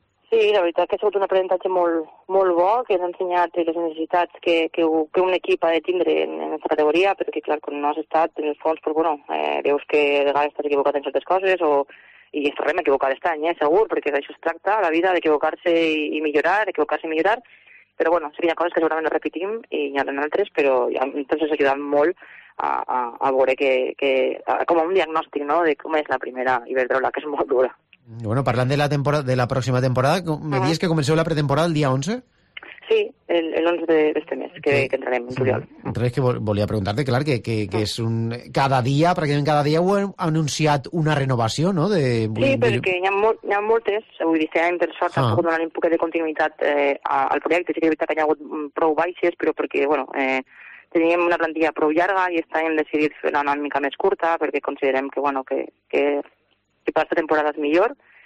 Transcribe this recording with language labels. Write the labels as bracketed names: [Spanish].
[Catalan] Sí, la veritat que ha sigut un aprenentatge molt, molt bo, que ens ha ensenyat les necessitats que un equip ha de tindre en aquesta categoria, perquè, clar, quan no has estat en el fons, però, bueno, veus que de vegades estàs equivocat en certes coses, i estarem equivocat aquest any, segur, perquè d'això es tracta, la vida, d'equivocar-se i millorar, però, bueno, sí, hi ha coses que segurament no repetim, i hi ha d'altres, però ja ens ha ajudat molt a veure que com un diagnòstic, no?, de com és la primera Iberdrola, que és molt dura. Bueno, parlant de la temporada, de la pròxima temporada, me dius que comenceu la pretemporada el dia 11? [Spanish] Sí, el 11 de este mes, que entraremos en Turiol. Entonces, que volía a preguntarte, claro, que es un... Cada día, prácticamente cada día, [Catalan] han anunciat una renovació, no? Perquè hi ha moltes, vull dir, s'ha interessat, s'ha donat un poc de continuïtat al projecte. Sí que és veritat que hi ha hagut prou baixes, però perquè, bueno, teníem una plantilla prou llarga i estàvem decidit fer-la una mica més curta, perquè considerem que, bueno, que si passa temporada és millor.